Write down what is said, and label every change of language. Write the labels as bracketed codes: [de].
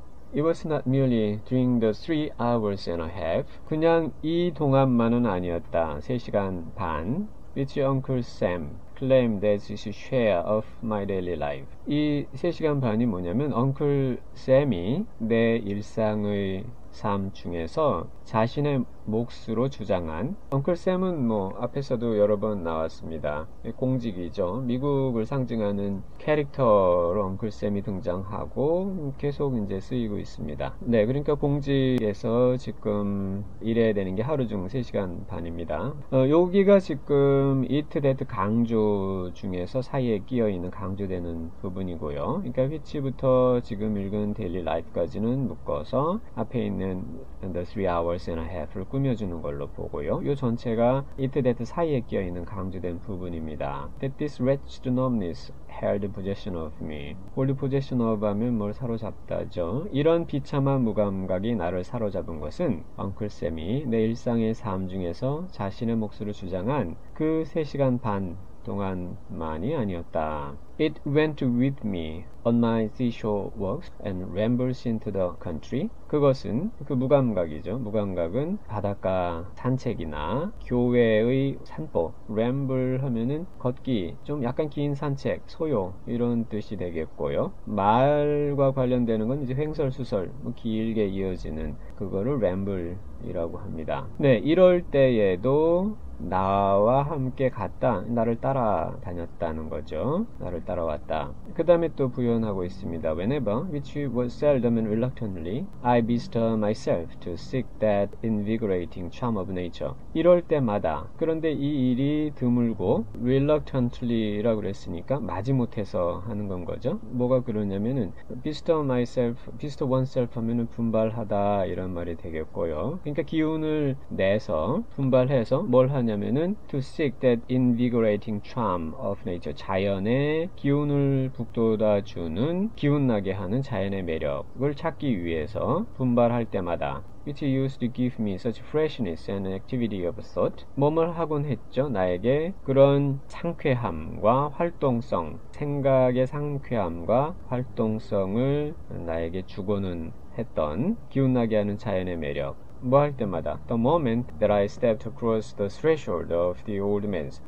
[en] It was not merely during the 3 hours and a half. [ko] 그냥 이 동안만은 아니었다. 3시간 반. [en] Which Uncle Sam claimed as his share of my daily life. [ko] 이 3시간 반이 뭐냐면 Uncle Sam이 내 일상의 삶 중에서 자신의 몫으로 주장한 Uncle Sam은 뭐 앞에서도 여러 번 나왔습니다. 공직이죠. 미국을 상징하는 캐릭터로 Uncle Sam이 등장하고 계속 이제 쓰이고 있습니다. 네, 그러니까 공직에서 지금 일해야 되는 게 하루 중 3시간 반입니다. 여기가 지금 it, that 강조 중에서 사이에 끼어 있는 강조되는 부분이고요. 그러니까 which부터 지금 읽은 daily life까지는 묶어서 앞에 있는 [en] and the 3 hours and a half [ko] 를 꾸며주는 걸로 보고요. 요 전체가 it, that 사이에 끼어 있는 강조된 부분입니다. [en] That this wretched numbness held possession of me. Hold possession of [ko] 하면 뭘 사로잡다죠. 이런 비참한 무감각이 나를 사로잡은 것은 Uncle Sam이 내 일상의 삶 중에서 자신의 몫으로 주장한 그 3시간 반 동안만이 아니었다. [en] It went with me on my seashore walks and rambles into the country. [ko] 그것은 그 무감각이죠. 무감각은 바닷가 산책이나 교외의 산보, ramble 하면은 걷기, 좀 약간 긴 산책, 소요 이런 뜻이 되겠고요. 말과 관련되는 건 이제 횡설수설, 뭐 길게 이어지는 그거를 ramble이라고 합니다. 네, 이럴 때에도 나와 함께 갔다, 나를 따라다녔다는 거죠. 나를 따라왔다. 그 다음에 또 부연하고 있습니다. [en] Whenever, which was seldom and reluctantly, I bestir myself to seek that invigorating charm of nature. [ko] 이럴 때마다, 그런데 이 일이 드물고, reluctantly라고 그랬으니까, 마지못해서 하는 건 거죠. 뭐가 그러냐면은, bestir myself, bestir oneself 하면은 분발하다, 이런 말이 되겠고요. 그러니까 기운을 내서, 분발해서 뭘 하냐, 왜냐면은 [en] to seek that invigorating charm of nature [ko] 자연의 기운을 북돋아 주는 기운나게 하는 자연의 매력을 찾기 위해서 분발할 때마다 [en] which used to give me such freshness and activity of thought [ko] 몸을 하곤 했죠. 나에게 그런 상쾌함과 활동성, 생각의 상쾌함과 활동성을 나에게 주고는 했던 기운나게 하는 자연의 매력. 뭐할 때마다 [en] the moment that I stepped across the threshold of the old man's.